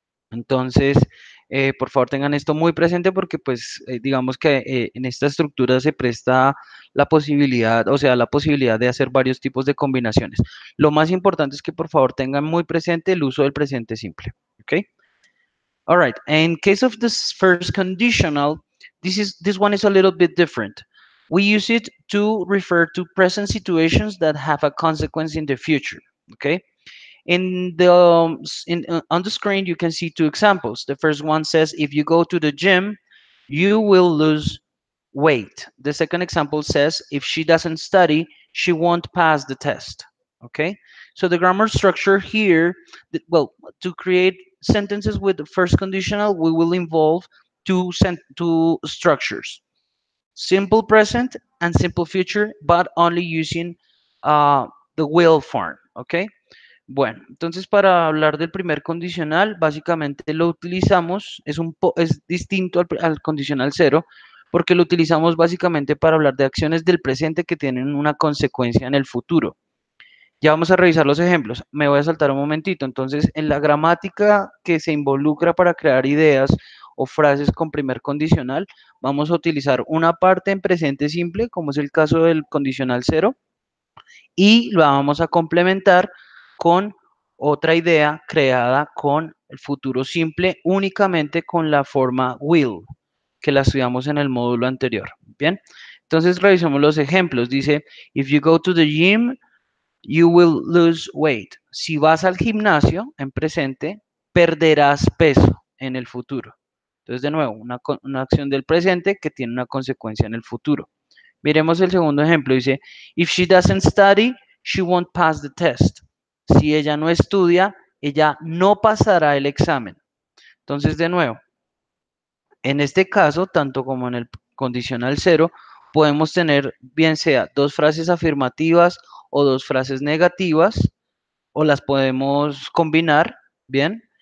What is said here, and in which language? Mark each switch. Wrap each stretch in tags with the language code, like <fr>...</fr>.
<es>Entonces, por favor tengan esto muy presente porque pues digamos que en esta estructura se presta la posibilidad, o sea, la posibilidad de hacer varios tipos de combinaciones. Lo más importante es que por favor tengan muy presente el uso del presente simple. ¿Ok?</es> <en>All right, in case of this first conditional, this one is a little bit different. We use it to refer to present situations that have a consequence in the future, okay? On the screen, you can see two examples. The first one says, if you go to the gym, you will lose weight. The second example says, if she doesn't study, she won't pass the test, okay? So the grammar structure here, to create sentences with the first conditional, we will involve two structures, simple present and simple future, but only using the will form, okay?</en> <es>Bueno, entonces para hablar del primer condicional, básicamente lo utilizamos, es distinto al condicional cero, porque lo utilizamos básicamente para hablar de acciones del presente que tienen una consecuencia en el futuro. Ya vamos a revisar los ejemplos. Me voy a saltar un momentito. Entonces, en la gramática que se involucra para crear ideas o frases con primer condicional, vamos a utilizar una parte en presente simple, como es el caso del condicional cero, y la vamos a complementar con otra idea creada con el futuro simple, únicamente con la forma will, que la estudiamos en el módulo anterior. Bien, entonces revisemos los ejemplos.</es> <en>Dice, if you go to the gym, you will lose weight.</en> <es>Si vas al gimnasio en presente, perderás peso en el futuro. Entonces, de nuevo, una acción del presente que tiene una consecuencia en el futuro. Miremos el segundo ejemplo.</es> <en>Dice, if she doesn't study, she won't pass the test.</en> <es>Si ella no estudia, ella no pasará el examen. Entonces, de nuevo, en este caso, tanto como en el condicional cero, podemos tener, bien sea, dos frases afirmativas o dos frases negativas, o las podemos combinar, ¿bien?</es>